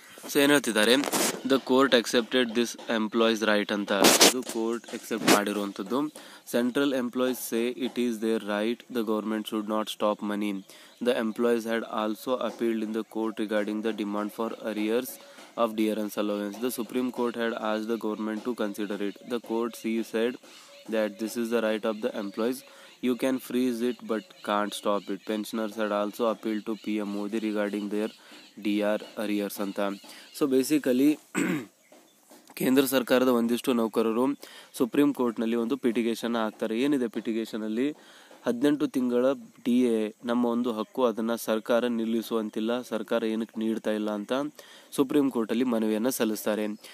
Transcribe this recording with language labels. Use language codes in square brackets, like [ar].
[kn] So ಏನು ಹೇಳ್ತಿದ್ದಾರೆ, [en] the court accepted this employees right [kn] ಅಂತ. ಇದು ಕೋರ್ಟ್ ಎಕ್ಸೆಪ್ಟ್ ಮಾಡಿರುವಂಥದ್ದು. [en] Central employees say it is there right, the government should not stop money. The employees had also appealed in the court regarding the demand for arrears of DRN's allowance. The Supreme Court had asked the government to consider it. The court said that this is the right of the employees. You can freeze it but can't stop it. Pensioners had also appealed to PM Modi regarding their DR arrears. [kn] So basically, ಕೇಂದ್ರ ಸರ್ಕಾರದ ಒಂದಿಷ್ಟು ನೌಕರರು supreme ಕೋರ್ಟ್ನಲ್ಲಿ ಒಂದು ಪಿಟಿಗೇಷನ್ ಹಾಕ್ತಾರೆ. ಏನಿದೆ ಪಿಟಿಗೇಷನಲ್ಲಿ, 18 ತಿಂಗಳ D A ನಮ್ಮ ಒಂದು ಹಕ್ಕು, ಅದನ್ನು ಸರ್ಕಾರ ನಿಲ್ಲಿಸುವಂತಿಲ್ಲ, ಸರ್ಕಾರ ಏನಕ್ಕೆ ನೀಡ್ತಾ ಇಲ್ಲ ಅಂತ ಸುಪ್ರೀಂ ಕೋರ್ಟಲ್ಲಿ ಮನವಿಯನ್ನು ಸಲ್ಲಿಸ್ತಾರೆ.